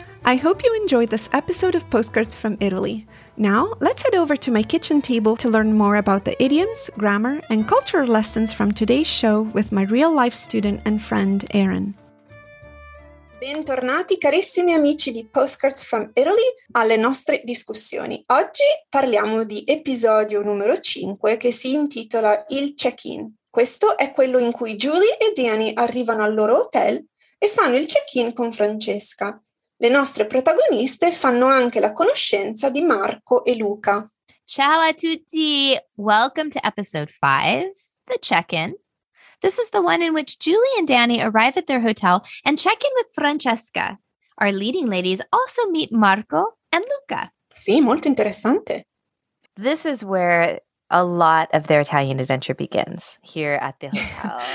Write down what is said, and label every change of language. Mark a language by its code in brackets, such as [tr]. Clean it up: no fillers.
[en] I hope you enjoyed this episode of Postcards from Italy. Now, let's head over to my kitchen table to learn more about the idioms, grammar, and culture lessons from today's show with my real-life student and friend, Erin. [it] Bentornati carissimi amici di Postcards from Italy alle nostre discussioni. Oggi parliamo di episodio numero 5 che si intitola Il Check-in. Questo è quello in cui Julie e Danny arrivano al loro hotel e fanno il check-in con Francesca. Le nostre protagoniste fanno anche la conoscenza di Marco e Luca. Ciao a tutti! [en] Welcome to episode 5, The Check-in. This is the one in which Julie and Danny arrive at their hotel and check in with Francesca. Our leading ladies also meet Marco and Luca. [it] Sì, molto interessante. [en] This is where a lot of their Italian adventure begins, here at the hotel.